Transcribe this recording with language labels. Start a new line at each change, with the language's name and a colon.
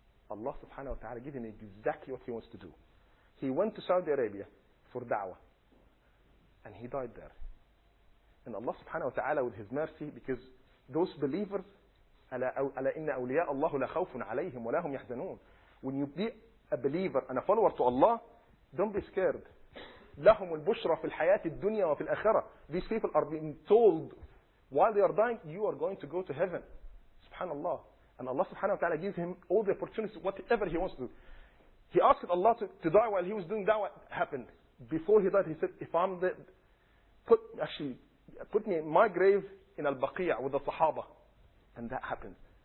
English: Allah subhanahu wa ta'ala gave him exactly what he wants to do. He went to Saudi Arabia for da'wah. And he died there. And Allah subhanahu wa ta'ala with his mercy, because those believers,
Arabic: أَلَا إِنَّ أَوْلِيَاءَ اللَّهُ لَخَوْفٌ عَلَيْهِمْ وَلَا هُمْ يَحْزَنُونَ.
English: When you be a believer and a follower to Allah, don't be scared.
Arabic: لهم البشرى في الحياة الدنيا وفي الآخرة.
English: These people are being told while they are dying, you are going to go to heaven. Subhanallah. And Allah subhanahu wa ta'ala gives him all the opportunities, whatever he wants to do. He asked Allah to die while he was doing that. What happened? Before he died, he said, if I'm the... Put me in my grave in Al-Baqi'a with the Sahaba. And that happened.